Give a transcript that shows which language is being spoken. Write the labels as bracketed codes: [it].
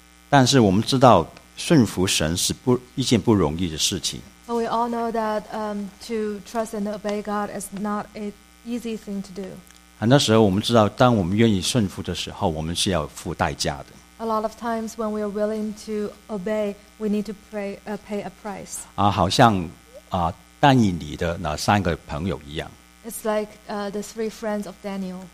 [zh] 但是我们知道顺服神是不一件不容易的事情。 [en] But we all know that to trust and obey God is not an easy thing to do. [zh] 很多时候我们知道，当我们愿意顺服的时候，我们是要付代价的。 [en] A lot of times when we are willing to obey, we need to pay a price. [zh] 啊，好像啊，但以理的那三个朋友一样。 [en] It's like the three friends of Daniel.